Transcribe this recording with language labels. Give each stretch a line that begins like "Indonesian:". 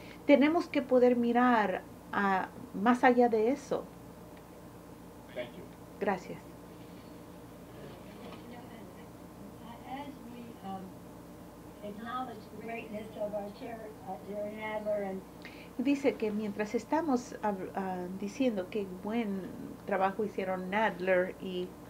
Spanish: Tenemos que poder mirar más allá de eso.
English: Thank you.
Spanish: Gracias.
English: As we acknowledge the greatness of our chair, Jerry Nadler, and
Spanish: dice que mientras estamos diciendo qué buen trabajo hicieron Nadler y